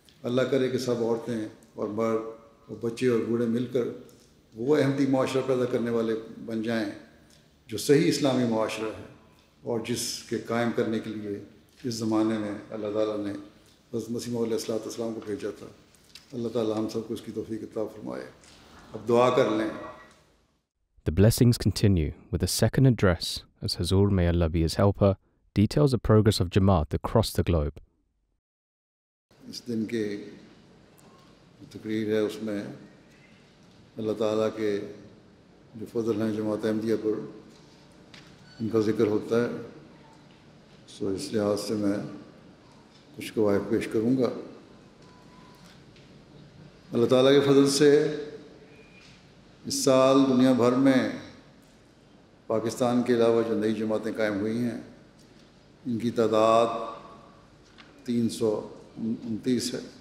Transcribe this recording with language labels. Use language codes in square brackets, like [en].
[ur] اللہ کرے کہ سب عورتیں اور مرد اور بچے اور بوڑھے مل کر وہ احمدی معاشرہ پیدا کرنے والے بن جائیں جو صحیح اسلامی معاشرہ ہے, اور جس کے قائم کرنے کے لیے اس زمانے میں اللہ تعالیٰ نے حضرت مسیح علیہ الصلوۃ والسلام کو بھیجا تھا. اللہ تعالیٰ ہم سب کو اس کی توفیق عطا فرمائے. اب دعا کر لیں. [en] The blessings continue with a second address as Hazur, may Allah be his helper, details the progress of Jamaat across the globe. [ur] اس دن کے تقریر ہے اس میں اللہ تعالیٰ کے جو فضل ہیں جماعت احمدیہ پر ان کا ذکر ہوتا ہے سو اس لحاظ سے میں کچھ قواعد پیش کروں گا اللہ تعالیٰ کے فضل سے اس سال دنیا بھر میں پاکستان کے علاوہ جو نئی جماعتیں قائم ہوئی ہیں ان کی تعداد 329 ہے